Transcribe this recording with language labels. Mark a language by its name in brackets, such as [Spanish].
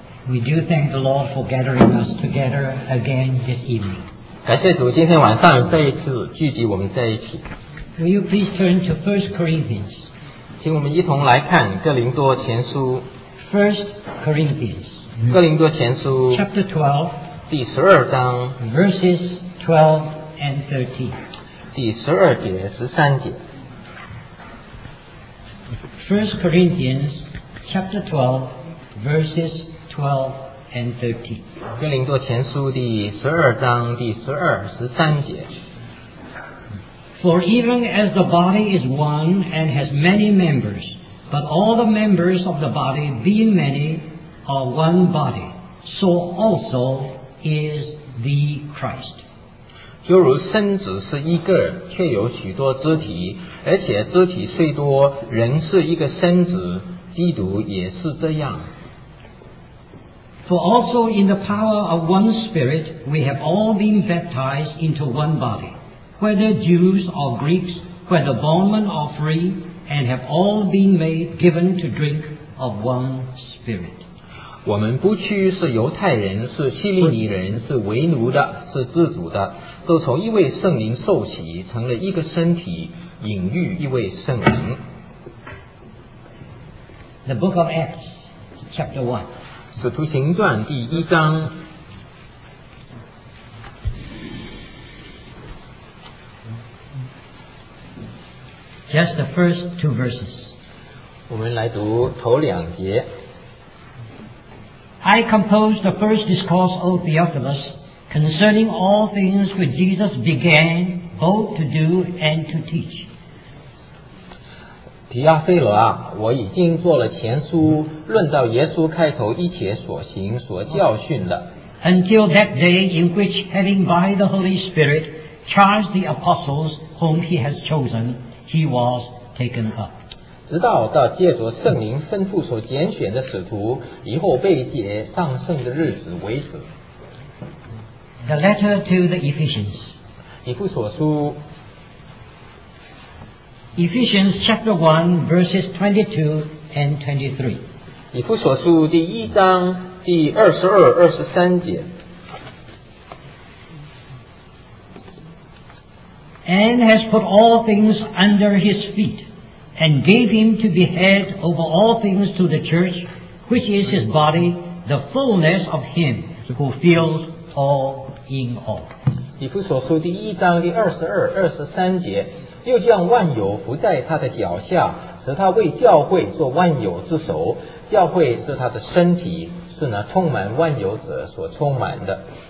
[English] We do thank the Lord for gathering us together again this evening. [Chinese] 感谢主，今天晚上再一次聚集我们在一起。 [English] Will you please turn to 1 Corinthians? [Chinese] 请我们一同来看哥林多前书。 [English] 1 Corinthians. [Chinese] 哥林多前书。 [English] Chapter 12. [Chinese] 第十二章。 [English] Verses 12 and 13. [Chinese] 第十二节十三节。 [English] 1 Corinthians chapter 12 verses 12 and 13. [Chinese] 哥林多前书第十二章第十二十三节。 [English] For even as the body is one and has many members, but all the members of the body being many are one body, so also is the Christ. [Chinese] 就如身子是一个，却有许多肢体。而且肢体虽多，人是一个身子，基督也是这样。 [English] For also in the power of one Spirit we have all been baptized into one body, whether Jews or Greeks, whether bondmen or free, and have all been made given to drink of one Spirit. [Chinese] 我们不屈是犹太人，是希利尼人，是为奴的，是自主的，都从一位圣灵受洗，成了一个身体。隐喻一位圣灵。 [English] The Book of Acts, Chapter 1. [Chinese] 使徒行传第一章。 [English] Just the first two verses. [Chinese] 我们来读头两节。 [English] I composed the first discourse, O Theophilus, concerning all things which Jesus began both to do and to teach. [Chinese] 提亚菲罗啊，我已经做了前书，论到耶稣开头一切所行所教训的。 [English] Until that day in which, having by the Holy Spirit charged the apostles whom he has chosen, he was taken up. [Chinese] 直到到借着圣灵吩咐所拣选的使徒，以后被接上圣的日子为止。 [English] The letter to the Ephesians. [Chinese] 以弗所书。 [English] Ephesians chapter 1 verses 22 and 23. [Chinese] 以弗所书第一章第二十二、二十三节。 [English] And has put all things under his feet, and gave him to be head over all things to the church, which is his body, the fullness of him who fills all in all. [Chinese] 以弗所书第一章第二十二、二十三节。又将万有伏在他的脚下，使他为教会做万有之首。教会是他的身体，是那充满万有者所充满的。